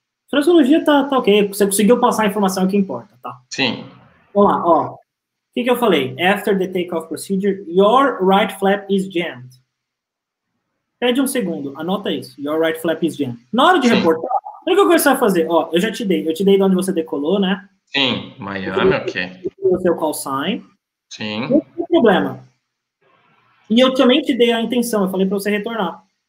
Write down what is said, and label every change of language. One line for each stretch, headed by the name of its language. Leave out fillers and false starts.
Portuguese: Fraseologia tá ok, você conseguiu passar a informação, é o que importa, tá? Sim. Vamos lá, ó. Ok, que eu falei?
English: After the takeoff procedure, your right flap is jammed.
Portuguese: Pede um segundo, anota isso.
English: Your right flap is jammed.
Portuguese: Na hora de reportar, o que você vai fazer? Ó, eu já te dei. Eu te dei de onde você decolou, né? Sim, Miami, ok. O seu call sign. Sim. Não tem problema. E eu também te dei a intenção, eu falei para você retornar.